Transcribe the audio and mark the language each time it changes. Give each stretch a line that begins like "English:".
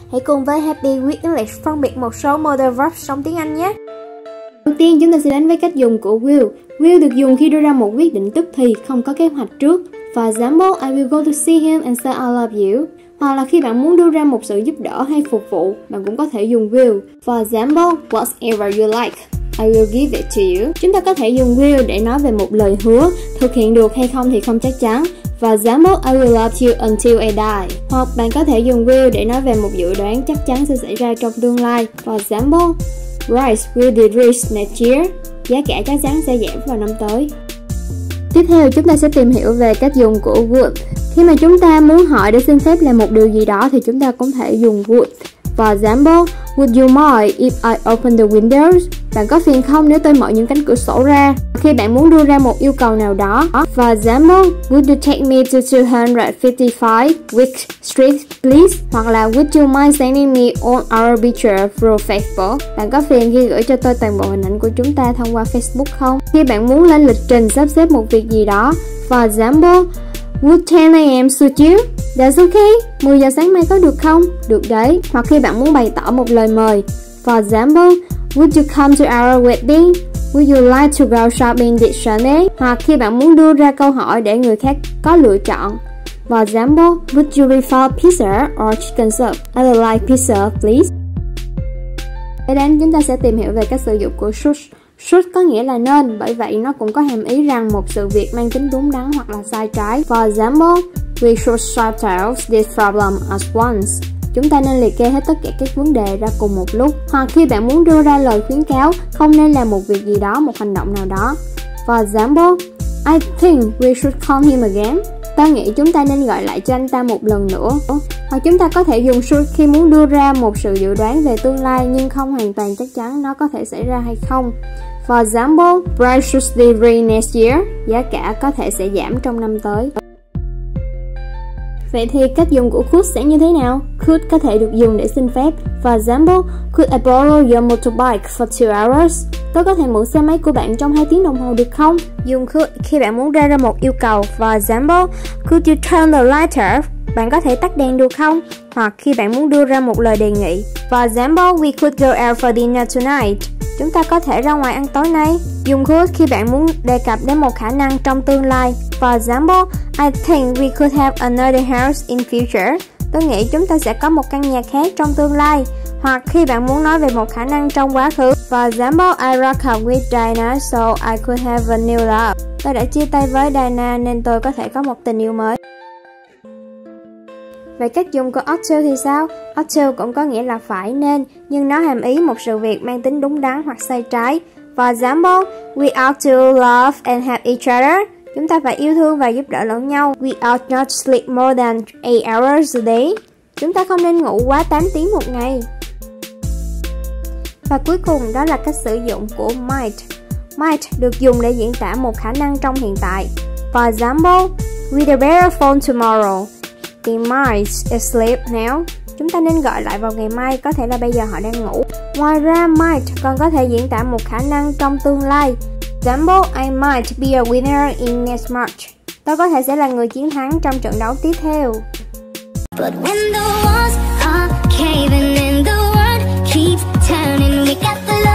Vietnamese: Hãy cùng với Happy Week English phân biệt một số modal verbs trong tiếng Anh nhé. Đầu tiên chúng ta sẽ đến với cách dùng của will. Will được dùng khi đưa ra một quyết định tức thì, không có kế hoạch trước.
English: For example, I will go to see him and say I love you.
Vietnamese: Hoặc là khi bạn muốn đưa ra một sự giúp đỡ hay phục vụ, bạn cũng có thể dùng will.
English: For example, whatever you like, I will give it to you.
Vietnamese: Chúng ta có thể dùng will để nói về một lời hứa, thực hiện được hay không thì không chắc chắn.
English: For example, I will love you until I die.
Vietnamese: Hoặc bạn có thể dùng will để nói về một dự đoán chắc chắn sẽ xảy ra trong tương lai.
English: For example, rice will be rich next year.
Vietnamese: Giá cả chắc chắn sẽ giảm vào năm tới. Tiếp theo, chúng ta sẽ tìm hiểu về cách dùng của would. Khi mà chúng ta muốn hỏi để xin phép làm một điều gì đó thì chúng ta cũng thể dùng would.
English: For example, would you mind if I open the windows?
Vietnamese: Bạn có phiền không nếu tôi mở những cánh cửa sổ ra? Khi bạn muốn đưa ra một yêu cầu nào đó.
English: For example, would you take me to 255 Wick Street, please?
Vietnamese: Hoặc là
English: would you mind sending me all our pictures through Facebook?
Vietnamese: Bạn có phiền khi gửi cho tôi toàn bộ hình ảnh của chúng ta thông qua Facebook không? Khi bạn muốn lên lịch trình sắp xếp một việc gì đó.
English: For example, would 10 a.m. suit you? That's okay.
Vietnamese: 10 giờ sáng mai có được không? Được đấy. Hoặc khi bạn muốn bày tỏ một lời mời.
English: For example, would you come to our wedding? Would you like to go shopping this Sunday?
Vietnamese: Hoặc khi bạn muốn đưa ra câu hỏi để người khác có lựa chọn.
English: For example, would you prefer pizza or chicken soup? I would like pizza, please.
Vietnamese: Kế đến chúng ta sẽ tìm hiểu về cách sử dụng của should. Should có nghĩa là nên, bởi vậy nó cũng có hàm ý rằng một sự việc mang tính đúng đắn hoặc là sai trái.
English: For example, we should sort out this problem at once.
Vietnamese: Chúng ta nên liệt kê hết tất cả các vấn đề ra cùng một lúc. Hoặc khi bạn muốn đưa ra lời khuyến cáo, không nên làm một việc gì đó, một hành động nào đó.
English: For example, I think we should call him again.
Vietnamese: Ta nghĩ chúng ta nên gọi lại cho anh ta một lần nữa. Hoặc chúng ta có thể dùng should khi muốn đưa ra một sự dự đoán về tương lai nhưng không hoàn toàn chắc chắn nó có thể xảy ra hay không.
English: For example, price should be raised next year.
Vietnamese: Giá cả có thể sẽ giảm trong năm tới. Vậy thì cách dùng của could sẽ như thế nào? Could có thể được dùng để xin phép.
English: For example, could I borrow your motorbike for 2 hours?
Vietnamese: Tôi có thể mượn xe máy của bạn trong 2 tiếng đồng hồ được không? Dùng could khi bạn muốn ra ra một yêu cầu.
English: For example, could you turn the light off?
Vietnamese: Bạn có thể tắt đèn được không? Hoặc khi bạn muốn đưa ra một lời đề nghị.
English: For example, we could go out for dinner tonight.
Vietnamese: Chúng ta có thể ra ngoài ăn tối nay. Dùng could khi bạn muốn đề cập đến một khả năng trong tương lai.
English: For example, I think we could have another house in future.
Vietnamese: Tôi nghĩ chúng ta sẽ có một căn nhà khác trong tương lai. Hoặc khi bạn muốn nói về một khả năng trong quá khứ.
English: For example, I broke up with Diana so I could have a new love.
Vietnamese: Tôi đã chia tay với Diana nên tôi có thể có một tình yêu mới. Vậy cách dùng của ought to thì sao? Ought to cũng có nghĩa là phải nên, nhưng nó hàm ý một sự việc mang tính đúng đắn hoặc sai trái.
English: For example, we ought to love and help each other.
Vietnamese: Chúng ta phải yêu thương và giúp đỡ lẫn nhau.
English: We ought not sleep more than 8 hours a day.
Vietnamese: Chúng ta không nên ngủ quá 8 tiếng một ngày. Và cuối cùng đó là cách sử dụng của might. Might được dùng để diễn tả một khả năng trong hiện tại.
English: For example, we'd better phone tomorrow. He might sleep now.
Vietnamese: Chúng ta nên gọi lại vào ngày mai, có thể là bây giờ họ đang ngủ. Ngoài ra, might còn có thể diễn tả một khả năng trong tương lai.
English: Example, I might be a winner in next match.
Vietnamese: Tôi có thể sẽ là người chiến thắng trong trận đấu tiếp theo.
English: But when the walls are caving and the world keeps turning, we got the-